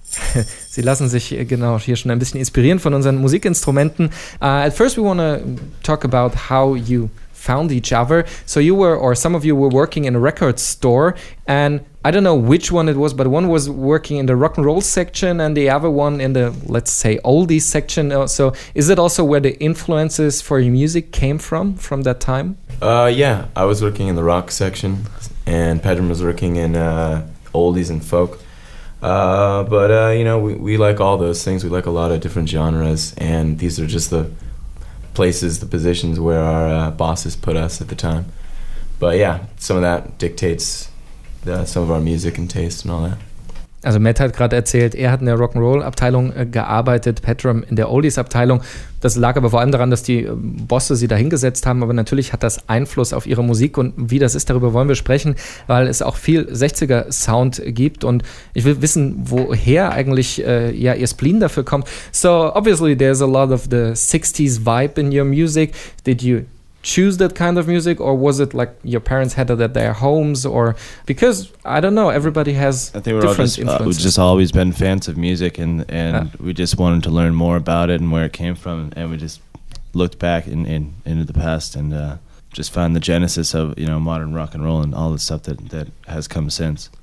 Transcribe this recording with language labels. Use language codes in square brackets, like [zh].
[de] Sie lassen sich genau hier schon ein bisschen inspirieren von unseren Musikinstrumenten. [en] At first we want to talk about how you found each other. So you were, or some of you were working in a record store, and I don't know which one it was, but one was working in the rock and roll section and the other one in the, let's say, oldies section. So is it also where the influences for your music came from that time? Yeah, I was working in the rock section and Pedram was working in oldies and folk. But we like all those things. We like a lot of different genres, and these are just the places, the positions where our bosses put us at the time. But yeah, some of that dictates some of our music and taste and all that. [de] Also Matt hat gerade erzählt, er hat in der Rock'n'Roll-Abteilung gearbeitet, Petram in der Oldies-Abteilung. Das lag aber vor allem daran, dass die Bosse sie da hingesetzt haben, aber natürlich hat das Einfluss auf ihre Musik, und wie das ist, darüber wollen wir sprechen, weil es auch viel 60er-Sound gibt, und ich will wissen, woher eigentlich ihr Spleen dafür kommt. [en] So, obviously there's a lot of the 60s vibe in your music. Did you choose that kind of music, or was it like your parents had it at their homes, or because I don't know, everybody has different influences. We've just always been fans of music, and we just wanted to learn more about it and where it came from, and we just looked back into the past and just found the genesis of, you know, modern rock and roll and all the stuff that has come since.